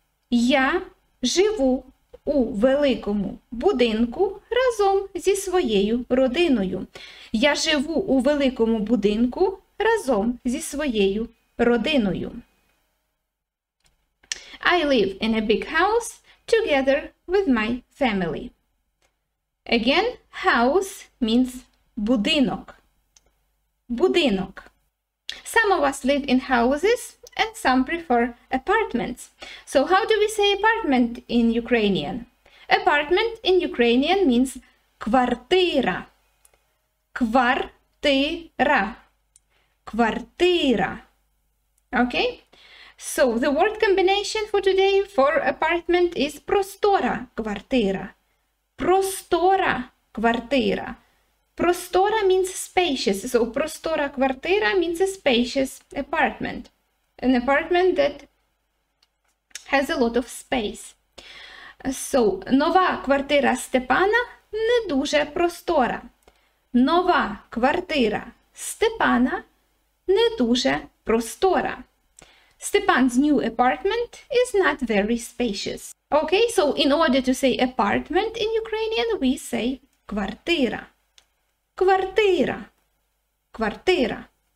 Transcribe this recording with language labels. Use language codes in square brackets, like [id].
[uk] Я живу у великому будинку разом зі своєю родиною. Я живу у великому будинку разом зі своєю родиною. [en] I live in a big house together with my family. Again, house means будинок. Будинок. Some of us live in houses and some prefer apartments. So how do we say apartment in Ukrainian? Apartment in Ukrainian means квартира. [uk] Квартира. Квартира. Okay? [en] So the word combination for today for apartment is [uk] простора квартира. Простора квартира. Простора [en] means spacious. So [uk] простора квартира [en] means a spacious apartment. An apartment that has a lot of space. [uk] So, нова квартира Степана не дуже простора. Нова квартира Степана не дуже простора. [en] Степан's new apartment is not very spacious. Okay, so in order to say apartment in Ukrainian, we say квартира. Квартира. Квартира.